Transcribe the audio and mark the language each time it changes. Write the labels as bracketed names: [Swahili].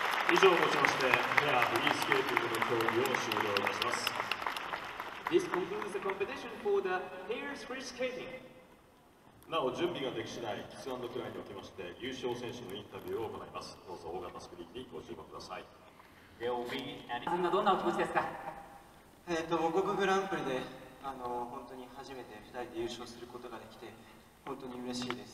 [Japanese] 以上をもちまして、ペアフリースケーティングの競技を終了いたします。 [English] This concludes the competition for the pairs free skating. [Japanese] なお、準備ができ次第、キスアンドクライにおきまして、優勝選手のインタビューを行います。どうぞ、大型スクリーンにご注目ください。今どんなお気持ちですか？母国グランプリで、本当に初めて2人で優勝することができて、本当に嬉しいです。